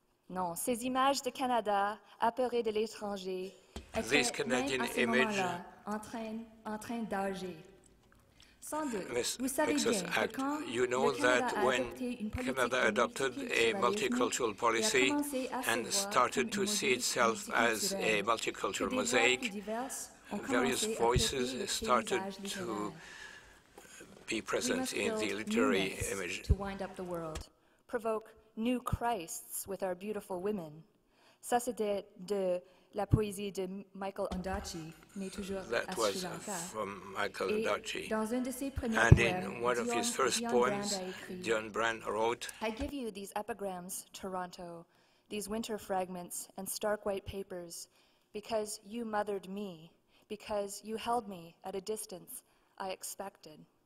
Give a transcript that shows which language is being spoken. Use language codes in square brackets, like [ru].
[fr] Non, ces images de Canada, apeurées de l'étranger, [en] this Canadian image [fr] en train d'agir. [en] You know that when Canada adopted a multicultural policy and started to see itself as a multicultural mosaic, various voices started to be present in the literary image. To wind up the world, provoke new Christs with our beautiful women. [fr] Ça, c'était de la poésie de Michael Ondaatje, mais toujours à [en] Sri Lanka. From Michael Ondaatje. [fr] Dans un de ses premiers poèmes, [en] and in one of his first poems, John Brand wrote, I give you these epigrams, Toronto, these winter fragments and stark white papers, because you mothered me, because you held me at a distance I expected.